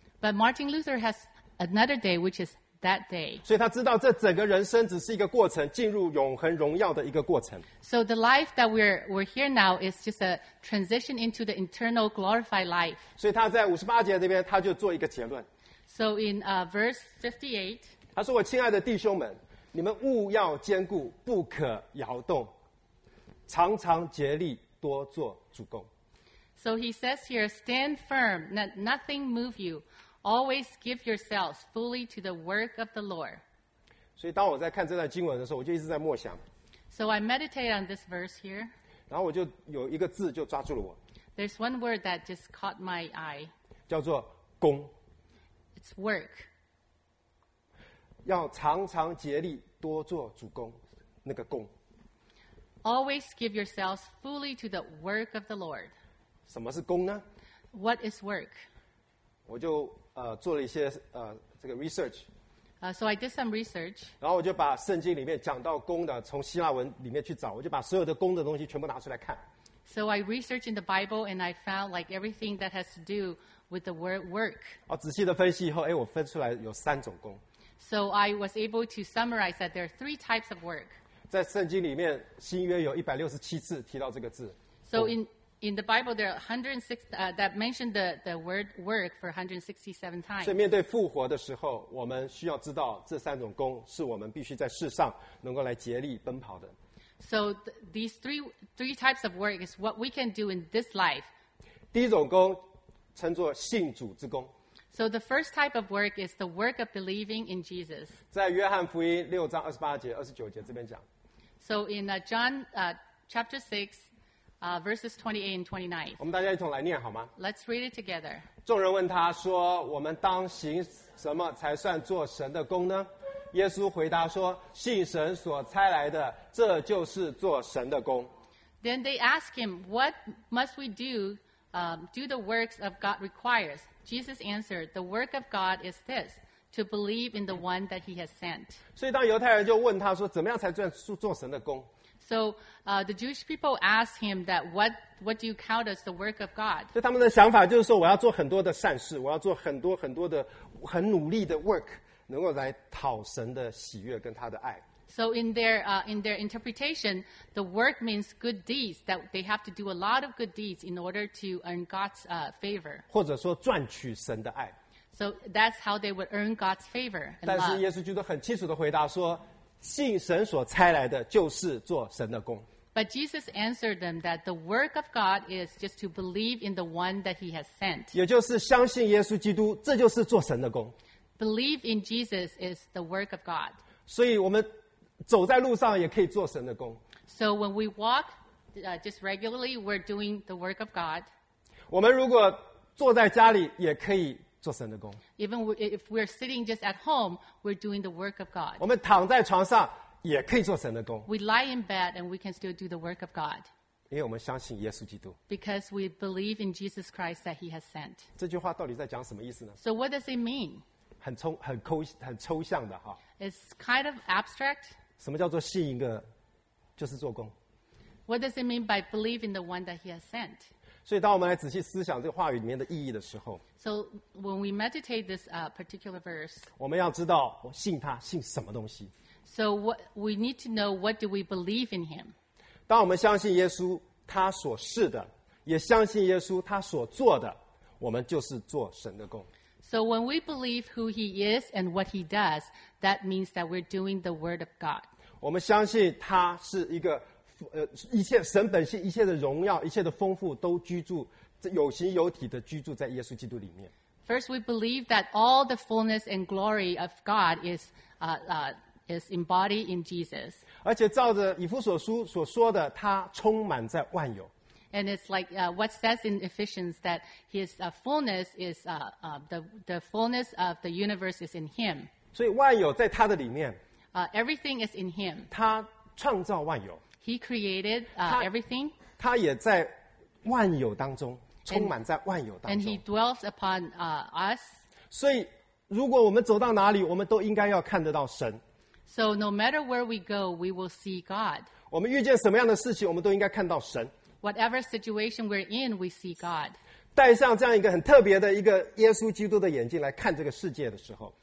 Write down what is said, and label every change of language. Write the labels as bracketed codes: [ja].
[en] But Martin Luther has another day, which is that day. [zh] 所以他知道这整个人生只是一个过程，进入永恒荣耀的一个过程。 [en] So the life that we're here now is just a transition into the eternal glorified life. [zh] 所以他在五十八节那边他就做一个结论。 [en] So in verse 58, [zh] 他说：“我亲爱的弟兄们。” 你们务要坚固，不可摇动，常常竭力，多做主工。 [en] So he says here, stand firm, let nothing move you. Always give yourselves fully to the work of the Lord. [zh] 所以当我在看这段经文的时候，我就一直在默想。 [en] So I meditate on this verse here. [zh] 然后我就有一个字就抓住了我。 [en] There's one word that just caught my eye. [zh] 叫做工。 [en] It's work. [zh] 要常常竭力多做主工，那个工。 [en] Always give yourselves fully to the work of the Lord. [zh] 什么是工呢 [en] ？What is work？ [zh] 我就做了一些这个 research。 [en] So I did some research. [zh] 然后我就把圣经里面讲到工的，从希腊文里面去找，我就把所有的工的东西全部拿出来看。 [en] So I researched in the Bible and I found like everything that has to do with the word work. [zh] 哦，仔细的分析以后，哎，我分出来有三种工。 [en] So I was able to summarize that there are three types of work. [zh] 在圣经里面，新约有167次提到这个字。 [en] So in the Bible there are 106 that mentioned the word work for 167 times. [zh] 所以面对复活的时候，我们需要知道这三种工是我们必须在世上能够来竭力奔跑的。 [en] So these three types of work is what we can do in this life. [zh] 第一种工称作信主之工。 [en] So the first type of work is the work of believing in Jesus. [zh] 在约翰福音六章二十八节、二十九节这边讲。 [en] So in John chapter 6, verses 28 and 29. [zh] 我们大家一同来念好吗 [en] ？Let's read it together. [zh] 众人问他说：“我们当行什么才算做神的工呢？” 耶稣回答说：“信神所差来的，这就是做神的工。” [en] Then they ask him, "What must we do?" Do the works of God requires. Jesus answered, the work of God is this, to believe in the one that he has sent. [zh] 所以当犹太人就问他说怎么样才算做神的工 [en] So, the Jewish people asked him that what do you count as the work of God? [zh] 所以他们的想法就是说我要做很多的善事我要做很多很多的很努力的 work 能够来讨神的喜悦跟他的爱 [en] So in their interpretation, the work means good deeds, that they have to do a lot of good deeds in order to earn God's favor. [zh] 或者说赚取神的爱。 [en] So that's how they would earn God's favor. [zh] 但是耶稣基督很清楚地回答说，信神所差来的就是做神的工。 [en] But Jesus answered them that the work of God is just to believe in the one that he has sent. [zh] 也就是相信耶稣基督，这就是做神的工。 [en] Believe in Jesus is the work of God. [zh] 所以我们走在路上也可以做神的工。 [en] So when we walk, just regularly, we're doing the work of God. [zh] 我们如果坐在家里也可以做神的工。 [en] Even if we're sitting just at home, we're doing the work of God. [zh] 我们躺在床上也可以做神的工。 [en] We lie in bed and we can still do the work of God. [zh] 因为我们相信耶稣基督。 [en] Because we believe in Jesus Christ that he has sent. [zh] 这句话到底在讲什么意思呢 [en] ？So what does it mean? [zh] 很抽象的哈。 [en] It's kind of abstract. [zh] 什么叫做信一个就是做工 [en] What does it mean by believing the one that he has sent? [zh] 所以当我们来仔细思想这个话语里面的意义的时候 [en] So when we meditate this particular verse [zh] 我们要知道我信他信什么东西 [en] So we need to know what do we believe in him [zh] 当我们相信耶稣他所是的，也相信耶稣他所做的，我们就是做神的工。 [en] So when we believe who he is and what he does, that means that we're doing the word of God. [zh] 我们相信他是一个一切神本性，一切的荣耀，一切的丰富都居住，有形有体的居住在耶稣基督里面。 [en] First, we believe that all the fullness and glory of God is embodied in Jesus. [zh] 而且照着以弗所书所说的，他充满在万有。 [en] And it's like what says in Ephesians that his fullness is the fullness of the universe is in him. [zh] 所以万有在他的里面。 [en] Everything is in him. [zh] 他创造万有。 [en] He created everything. [zh] 他也在万有当中。充满在万有当中。 [en] And he dwells upon us. [zh] 所以如果我们走到哪里，我们都应该要看得到神。 [en] So no matter where we go, we will see God. [zh] 我们遇见什么样的事情，我们都应该看到神。 [en] Whatever situation we're in, we see God. [zh] 戴上这样一个很特别的一个耶稣基督的眼镜来看这个世界的时候。